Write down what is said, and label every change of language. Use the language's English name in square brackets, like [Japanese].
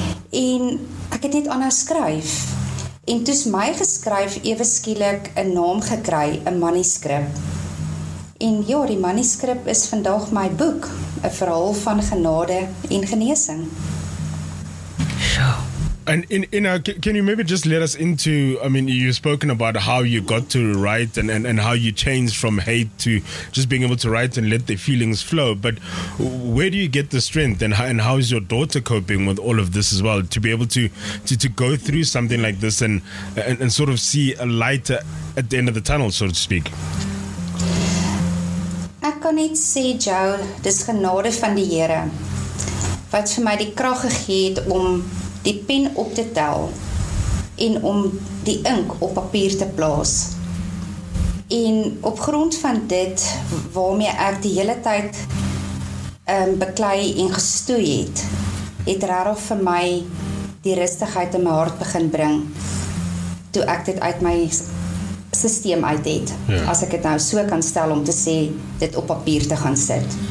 [Afrikaans] En ek het net anders skryf. En toes my geskryf ewe skielik 'n naam gekry, 'n manuskrip. En ja, die manuskrip is vandag my boek, 'n verhaal van genade en genesing. [English] And can you maybe just let us into, I mean, you've spoken about how you got to write and how you changed from hate to just being able to write and let the feelings flow. But where do you get the strength and how is your daughter coping with all of this as well, to be able to go through something like this and sort of see a light at the end of the tunnel, so to speak? [Afrikaans] Ek kan net sê, Joe, dis genade van die Here wat vir my die krag gegee het om die pen op te tel en om die ink op papier te plaas. En op grond van dit waarmee ek die hele tyd beklei en gestoei het, het regtig vir my die rustigheid in my hart begin bring toe ek dit uit my systeem uit het, as ek het nou so kan stel om te sê dit op papier te gaan sit.